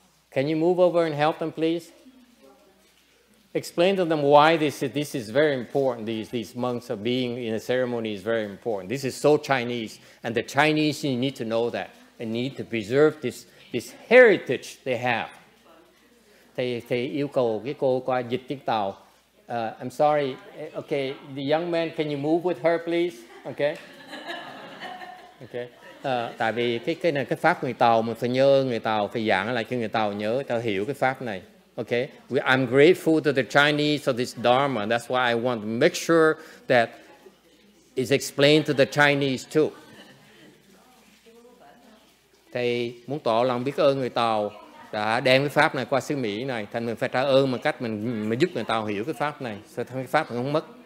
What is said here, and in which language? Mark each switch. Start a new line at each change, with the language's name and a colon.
English: Can you move over and help them, please? Explain to them why this is very important. These monks of being in a ceremony is very important. This is so Chinese, and the Chinese need to know that and need to preserve this heritage they have.
Vietnamese: Thầy yêu cầu cái cô qua dịch tiếng Tàu.
English: I'm sorry. Okay, the young man, can you move with her, please? Okay.
Vietnamese: Tại vì cái này cái pháp người Tàu, mình phải nhớ người Tàu, phải giảng lại cho người Tàu nhớ, ta hiểu cái pháp này.
English: Okay, I'm grateful to the Chinese for this Dharma. That's why I want to make sure that it's explained to the Chinese too.
Vietnamese: Thầy muốn tỏ lòng biết ơn người Tàu đã đem cái pháp này qua xứ Mỹ này. Thành mình phải trả ơn bằng cách mình giúp người Tàu hiểu cái pháp này. Sao cái pháp này không mất.